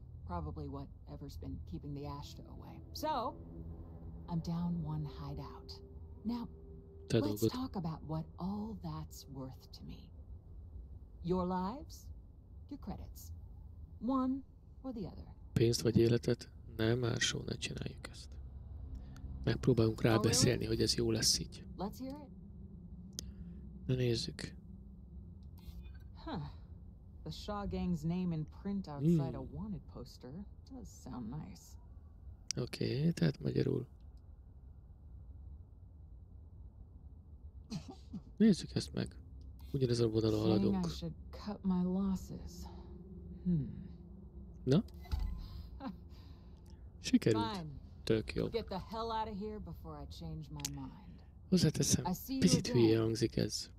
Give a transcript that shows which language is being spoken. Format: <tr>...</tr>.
<en>Probably whatever's been keeping the ash to away. So, I'm down one hideout. Now, let's talk about what all that's worth to me. Your lives, your credits. One or the other.</en> <hu>Pénzt vagy életet? Nem, már soha ne csináljuk ezt. Megpróbálunk rábeszélni, hogy ez jó lesz így.</hu> <en>Let's hear it.</en> <hu>Na nézzük. Huh.</hu> <en>The Shaw Gang's name in print outside a wanted poster does sound nice.</en> <hu>Okay, tehát magyarul. Nézzük ezt meg. Ugyanez a vonalon haladunk.</hu> <en>I should cut my losses.</en> <hu>Na? Sikerült.</hu> <en>Fine.</en> <hu>Tök jó.</hu> <en>Get the hell out of here before I change my mind.</en> <hu>Hozzáteszem, picit hülye hangzik ez.</hu>